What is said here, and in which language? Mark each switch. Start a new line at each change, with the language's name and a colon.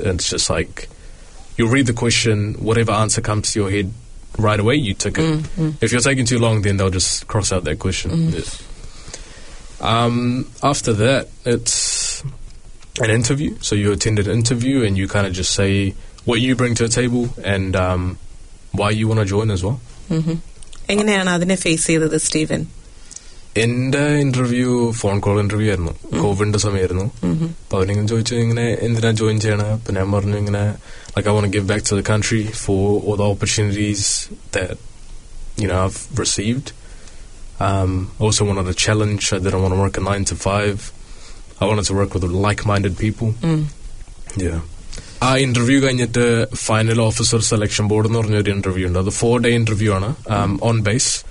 English: It's just like you'll read the question, whatever answer comes to your head right away, you took it. If you're taking too long, then they'll just cross out that question. Yeah. After that, it's an interview. So you attend an interview and you kind of just say what you bring to the table and why you want to join as well.
Malayalam: എങ്ങനെയാണ് അതിനെ face ചെയ്തത് Steven? എന്റെ interview phone call interview ആയിരുന്നു. കോവിഡിന്റെ സമയമായിരുന്നു. അപ്പൊ അവരെങ്ങനെ ചോദിച്ചു ഇങ്ങനെ എന്തിനാ ജോയിൻ ചെയ്യണം? അപ്പൊ ഞാൻ പറഞ്ഞു ഇങ്ങനെ
English: Like I want give back to the country for all the opportunities that you know have received. Also wanted a challenge. I didn't want to work a 9-to-5. I wanted to work with like-minded people. Yeah.
Malayalam: Interview കഴിഞ്ഞിട്ട് final officer selection board എന്ന് പറഞ്ഞ ഒരു interview ഉണ്ട്. അത് 4-day interview ആണ്, on base.